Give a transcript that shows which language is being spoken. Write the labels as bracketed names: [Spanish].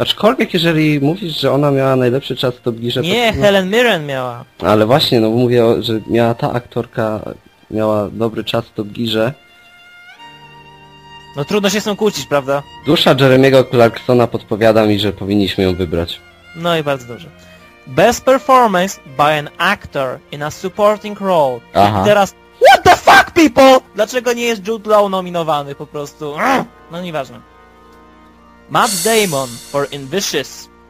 [Polish] Aczkolwiek jeżeli mówisz, że ona miała najlepszy czas, to bliżej... Nie, to... Helen Mirren miała. Ale właśnie, no mówię, że miała ta aktorka, miała dobry czas, to bliżej. No trudno się z tym kłócić, prawda? Dusza Jeremy'ego Clarksona podpowiada mi, że powinniśmy ją wybrać. No i bardzo dobrze. [English] Best performance by an actor in a supporting role. [Polish] Aha. [English] I teraz... What the fuck, people? [Polish] Dlaczego nie jest Jude Law nominowany po prostu? No nieważne. [English] Matt Damon for In Vicious.